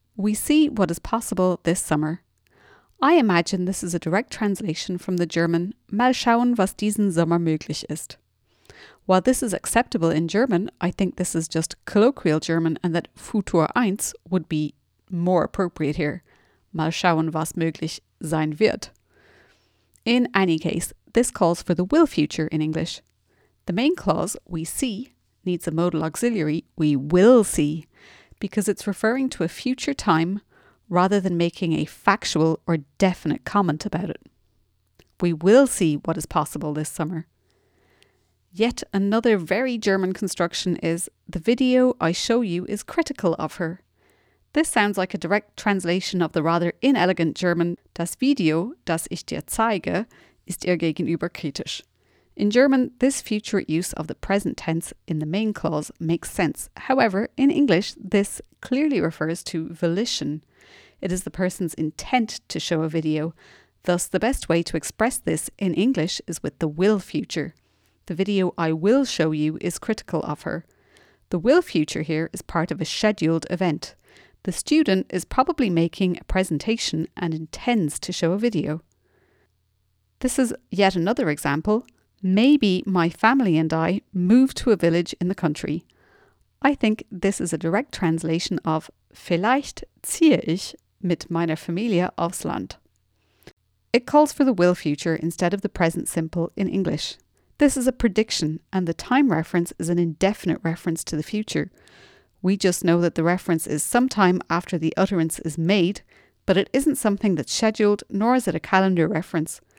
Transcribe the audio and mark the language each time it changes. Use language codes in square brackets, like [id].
[en] We see what is possible this summer. I imagine this is a direct translation from the German [de] Mal schauen, was diesen Sommer möglich ist. [en] While this is acceptable in German, I think this is just colloquial German and that Futur 1 would be more appropriate here. [de] Mal schauen, was möglich sein wird. [en] In any case, this calls for the will future in English. The main clause, we see, needs a modal auxiliary, we will see, because it's referring to a future time rather than making a factual or definite comment about it. We will see what is possible this summer. Yet another very German construction is, the video I show you is critical of her. This sounds like a direct translation of the rather inelegant German [de] Das Video, das ich dir zeige, ist ihr gegenüber kritisch. [en] In German, this future use of the present tense in the main clause makes sense. However, in English, this clearly refers to volition. It is the person's intent to show a video. Thus, the best way to express this in English is with the will future. The video I will show you is critical of her. The will future here is part of a scheduled event. The student is probably making a presentation and intends to show a video. This is yet another example. Maybe my family and I move to a village in the country. I think this is a direct translation of [de] vielleicht ziehe ich mit meiner Familie aufs Land. [en] It calls for the will future instead of the present simple in English. This is a prediction and the time reference is an indefinite reference to the future. We just know that the reference is sometime after the utterance is made, but it isn't something that's scheduled, nor is it a calendar reference.